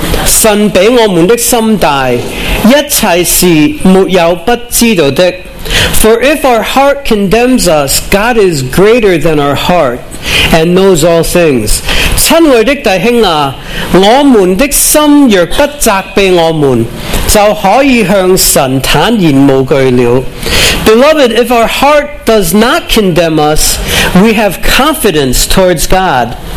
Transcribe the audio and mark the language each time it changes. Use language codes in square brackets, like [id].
[zh] 神比我们的心大，一切是没有不知道的。 [en] For if our heart condemns us, God is greater than our heart and knows all things. [zh] 亲爱的弟兄啊，我们的心若不责备我们，就可以向神坦然无惧了。 [en] Beloved, if our heart does not condemn us, we have confidence towards God.